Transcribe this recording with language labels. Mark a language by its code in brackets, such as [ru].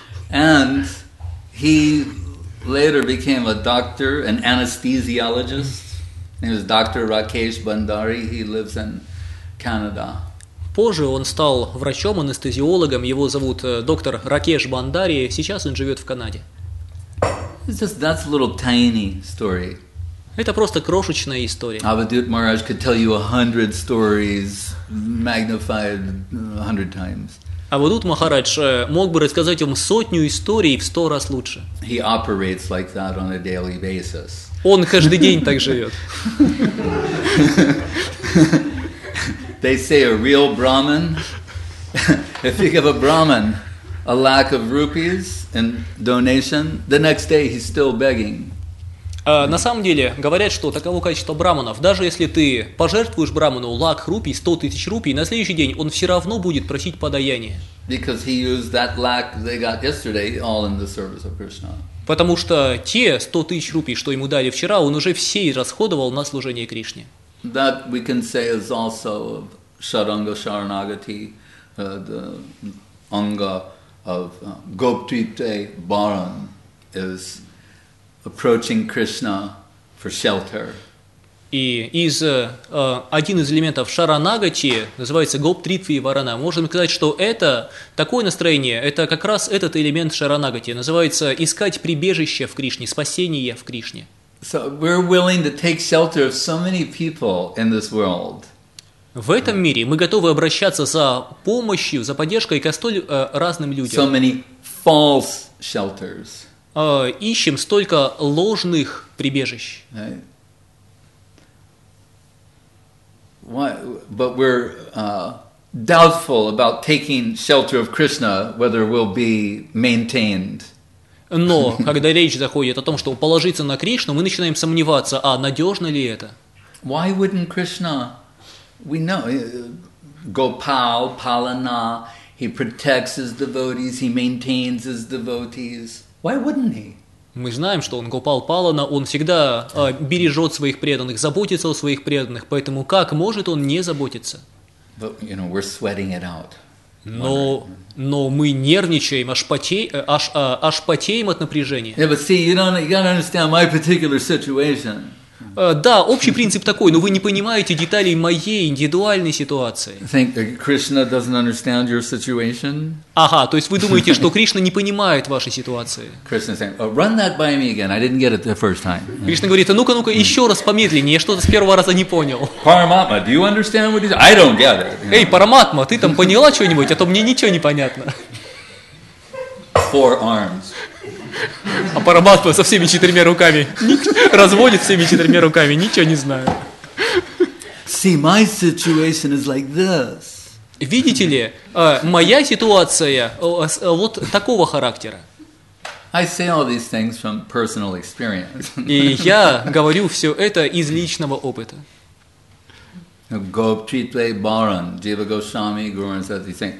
[en] And he later became a doctor, an anesthesiologist. He was Dr. Rakesh Bhandari. He lives in Canada. [ru] Позже он стал врачом, анестезиологом. Его зовут доктор Ракеш Бандари. Сейчас он живет в Канаде. [en] It's just that's a little tiny story. [ru] Это просто крошечная история. [en] Avadhut Maharaj could tell you 100 stories magnified 100 times. [ru] Avadhut Maharaj мог бы рассказать вам сотню историй в 100 раз лучше. [en] He operates like that on a daily basis. [ru] Он каждый день так живет. [en] They say a real Brahmin, if you give a Brahmin a lack of rupees and donation, the next day he's still begging. [ru] На самом деле, говорят, что таково качество браманов. Даже если ты пожертвуешь браману лак рупий, 100 тысяч рупий, на следующий день он все равно будет просить подаяние. [en] Because he used that lakh they got yesterday all in the service of Krishna. [ru] Потому что те 100 тысяч рупий, что ему дали вчера, он уже все расходовал на служение Кришне. [en] That we can say is also of Sharanga Sharanagati, the Anga of Goptite Baran is approaching Krishna for shelter. [ru] И из один из элементов шаранагати, называется гоптритви варана, можем сказать, что это такое настроение, это как раз этот элемент шаранагати, называется искать прибежище в Кришне, спасение в Кришне. [en] So we're willing to take shelter of so many people in this world. [ru] В этом мире мы готовы обращаться за помощью, за поддержкой к столь разным людям. [en] So many false shelters. [ru] Ищем столько ложных прибежищ. [en] Right. Why? But we're doubtful about taking shelter of Krishna, whether we'll be maintained. [ru] Но когда речь заходит о том, чтобы положиться на Кришну, мы начинаем сомневаться, а надежно ли это? [en] Why wouldn't Krishna? We know Gopal, Palana, he protects his devotees, he maintains his devotees. Why wouldn't he? [ru] Мы знаем, что он Гопал Палана, он всегда бережет своих преданных, заботится о своих преданных, поэтому как может он не заботиться? [en] But, you know, we're sweating it out. [ru] Но мы нервничаем, аж потеем от напряжения. [en] Yeah, but see, you don't understand my particular situation. [ru] Да, общий принцип такой, но вы не понимаете деталей моей индивидуальной ситуации. [en] Think Krishna doesn't understand your situation? [ru] Ага, то есть вы думаете, что Кришна не понимает вашей ситуации. [en] Krishna saying, oh, run that by me again. I didn't get it the first time. [ru] Кришна говорит, ну-ка, еще раз помедленнее, я что-то с первого раза не понял. [en] Paramatma, do you understand what he's... I don't get it. [ru] Эй, Параматма, ты там поняла что-нибудь, а то мне ничего не понятно. [en] Four arms. [ru] А Параматма со всеми четырьмя руками разводит всеми четырьмя руками, ничего не знаю. [en] See, my situation is like this. [ru] Видите ли, моя ситуация вот такого характера. [en] I say all these things from personal experience. [ru] И я говорю все это из личного опыта. Гоптритве баран, Джива Гошами, Гуран Сати Сен.